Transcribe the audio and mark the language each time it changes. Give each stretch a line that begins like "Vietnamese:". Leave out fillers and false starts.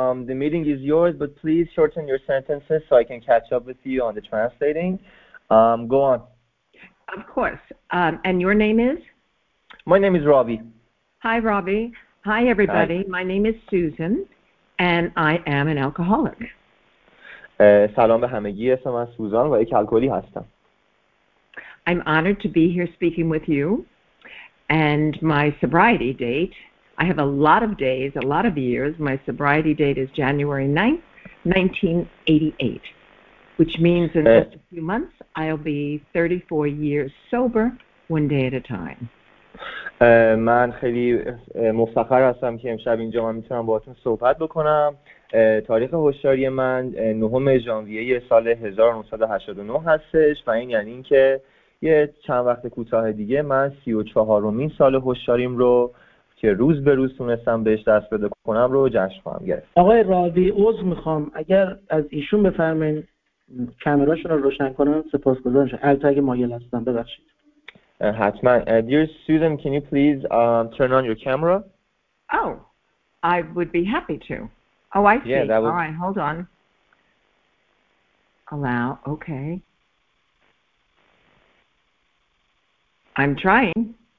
English: The meeting is yours, but please shorten your sentences so I can catch up with you on the translating. Go on. Of course. And your name is? My name is Ravi. Hi, Ravi. Hi, everybody. Hi. My name is Susan, and I am an alcoholic.
Persian: سلام به همگی. اسم من سوزان و یک الکلی هستم.
English: I'm honored to be here speaking with you, and my sobriety date... I have a lot of days, a lot of years. My sobriety date is January 9th, 1988, which means in just a few months, I'll be 34 years sober, one day at a time.
Persian: من خیلی مفتخر هستم که امشب اینجا من میتونم با تون صحبت بکنم. تاریخ هوشیاری من 9 ژانویه سال 1989 هستش و این یعنی که یه چند وقت کوتاه دیگه من 34مین سال هوشیاریم رو که روز به روز تونستم بهش دست بده کنم رو جشن خواهم گرفت. آقای راوی عذر میخوام، اگر از ایشون بفرمایید کامراشون رو روشن کنن سپاسگزارم. البته اگه مایل هستن ببخشید. حتما.
English: Dear Susan, can you please turn on your camera? Oh, I would be happy to. Oh, I see. Yeah, that would... All right, hold on. Allow. Okay. I'm trying.